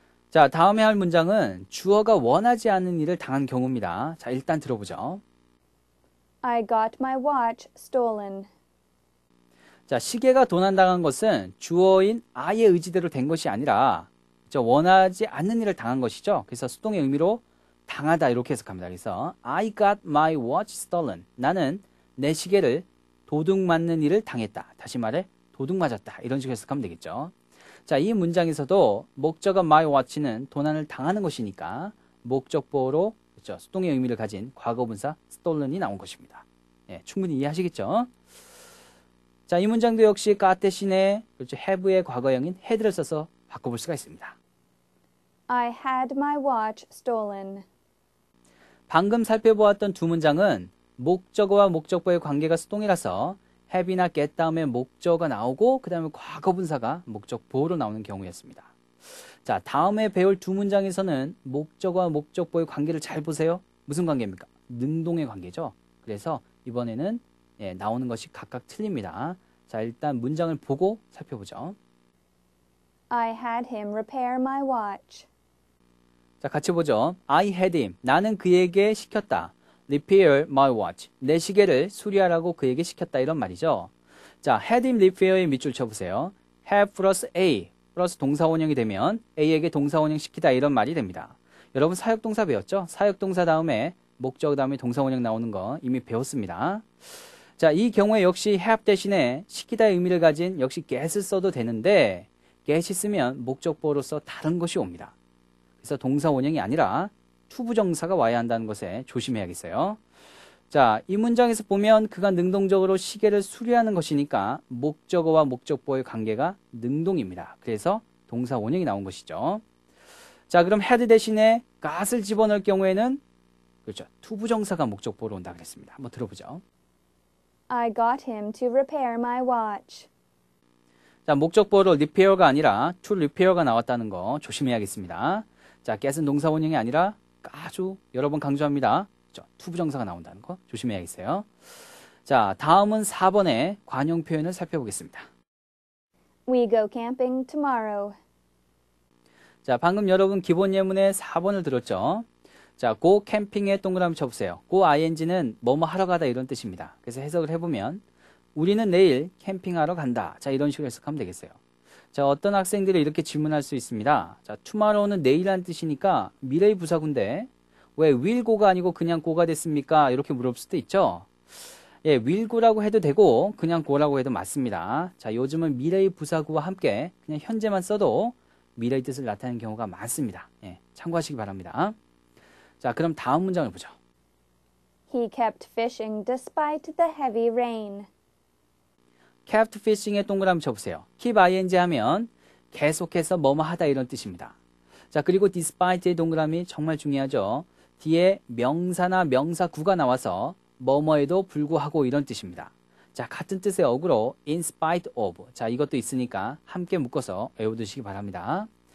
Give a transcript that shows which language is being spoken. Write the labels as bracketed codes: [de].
[ko] 자, 다음에 할 문장은 주어가 원하지 않는 일을 당한 경우입니다. 자, 일단 들어보죠. [en] I got my watch stolen. [ko] 자, 시계가 도난당한 것은 주어인 I의 의지대로 된 것이 아니라 저 원하지 않는 일을 당한 것이죠. 그래서 수동의 의미로 당하다 이렇게 해석합니다. 그래서 [en] I got my watch stolen. [ko] 나는 내 시계를 도둑 맞는 일을 당했다. 다시 말해 도둑 맞았다. 이런 식으로 해석하면 되겠죠. 자, 이 문장에서도 목적어 my watch는 도난을 당하는 것이니까 목적보로 그렇죠? 수동의 의미를 가진 과거분사 stolen이 나온 것입니다. 예, 충분히 이해하시겠죠? 자, 이 문장도 역시 got 대신에 그렇죠? have의 과거형인 had를 써서 바꿔볼 수가 있습니다. [en] I had my watch stolen. [ko] 방금 살펴보았던 두 문장은 목적어와 목적보의 관계가 수동이라서 have이나 get 다음에 목적어가 나오고 그 다음에 과거분사가 목적보로 나오는 경우였습니다. 자, 다음에 배울 두 문장에서는 목적어와 목적보의 관계를 잘 보세요. 무슨 관계입니까? 능동의 관계죠. 그래서 이번에는 예, 나오는 것이 각각 틀립니다. 자, 일단 문장을 보고 살펴보죠. [en] I had him repair my watch. [ko] 자, 같이 보죠. [en] I had him. [ko] 나는 그에게 시켰다. [en] Repair my watch. [ko] 내 시계를 수리하라고 그에게 시켰다. 이런 말이죠. 자, [en] had him repair [ko] 의 밑줄 쳐보세요. [en] Have plus A. [ko] 플러스 동사원형이 되면 A에게 동사원형 시키다. 이런 말이 됩니다. 여러분, 사역동사 배웠죠? 사역동사 다음에 목적 다음에 동사원형 나오는 거 이미 배웠습니다. 자, 이 경우에 역시 have 대신에 시키다의 의미를 가진 역시 get을 써도 되는데 get이 쓰면 목적보로서 다른 것이 옵니다. 그래서 동사원형이 아니라 투부정사가 와야 한다는 것에 조심해야겠어요. 자, 이 문장에서 보면 그가 능동적으로 시계를 수리하는 것이니까 목적어와 목적보의 관계가 능동입니다. 그래서 동사원형이 나온 것이죠. 자, 그럼 had 대신에 got을 집어넣을 경우에는 그렇죠. 투부정사가 목적보로 온다 그랬습니다. 한번 들어보죠. [en] I got him to repair my watch. [ko] 자, 목적보로 repair가 아니라 to repair가 나왔다는 거 조심해야겠습니다. 자, get은 동사원형이 아니라 아주 여러 번 강조합니다. 투부정사가 나온다는 거 조심해야겠어요. 자, 다음은 4번의 관용 표현을 살펴보겠습니다. [en] We go camping tomorrow. [ko] 자, 방금 여러분 기본 예문의 4번을 들었죠? 자, [en] go camping [ko] 에 동그라미 쳐보세요. go ing는 뭐뭐 하러 가다 이런 뜻입니다. 그래서 해석을 해보면 우리는 내일 캠핑하러 간다. 자, 이런 식으로 해석하면 되겠어요. 자, 어떤 학생들이 이렇게 질문할 수 있습니다. 자, tomorrow는 내일이라는 뜻이니까 미래의 부사구인데 왜 [en] will go [ko] 가 아니고 그냥 go가 됐습니까? 이렇게 물어볼 수도 있죠. 예, [en] will go [ko] 라고 해도 되고 그냥 go라고 해도 맞습니다. 자, 요즘은 미래의 부사구와 함께 그냥 현재만 써도 미래의 뜻을 나타내는 경우가 많습니다. 예, 참고하시기 바랍니다. 자, 그럼 다음 문장을 보죠. [en] He kept fishing despite the heavy rain. kept fishing [ko] 의 동그라미 쳐보세요. keep ing 하면 계속해서 뭐뭐 하다 이런 뜻입니다. 자, 그리고 despite의 동그라미 정말 중요하죠. 뒤에 명사나 명사구가 나와서 뭐뭐에도 불구하고 이런 뜻입니다. 자, 같은 뜻의 어구로 [en] in spite of. [ko] 자, 이것도 있으니까 함께 묶어서 외워두시기 바랍니다.